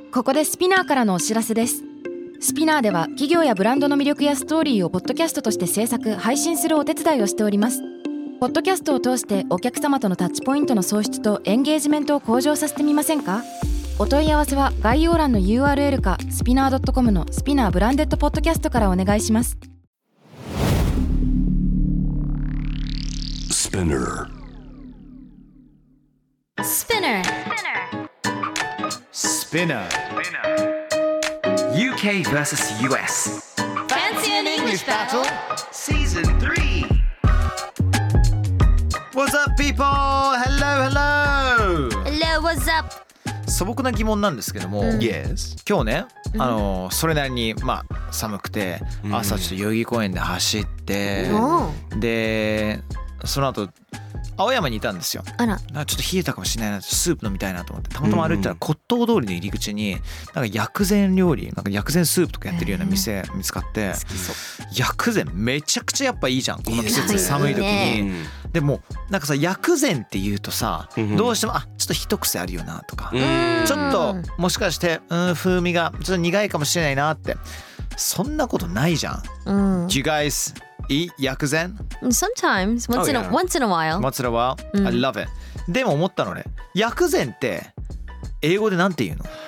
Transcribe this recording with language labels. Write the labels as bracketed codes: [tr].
[ja] ここでスピナーからのお知らせです。スピナーでは企業やブランドの魅力やストーリーをポッドキャストとして制作配信するお手伝いをしております。ポッドキャストを通してお客様とのタッチポイントの創出とエンゲージメントを向上させてみませんか？お問い合わせは概要欄の URL かスピナー .com のスピナーブランデッドポッドキャストからお願いします。 [en] スピナースピナースピナー UK vs US Fancy an English Battle Season 3. What's up people? Hello, hello. Hello, what's up? [ja] 素朴な疑問なんですけども、 [en] yes. [ja] 今日ね、それなりに、まあ、寒くて朝ちょっと代々木公園で走って、でその後青山にいたんですよ。あら、なんかちょっと冷えたかもしれないな、スープ飲みたいなと思ってたまたま歩いたら骨董通りの入り口になんか薬膳料理、なんか薬膳スープとかやってるような店見つかって、薬膳めちゃくちゃやっぱいいじゃんこの季節、寒い時に。でもなんかさ、薬膳って言うとさ、どうしてもあ、ちょっと一癖あるよなとか、ちょっともしかして風味がちょっと苦いかもしれないなって、そんなことないじゃん。 [en] Do you guys eat 薬膳? Sometimes, once in a while. Once in a while, I love it. [ja] でも思ったのね、薬膳って英語でなんて言うの？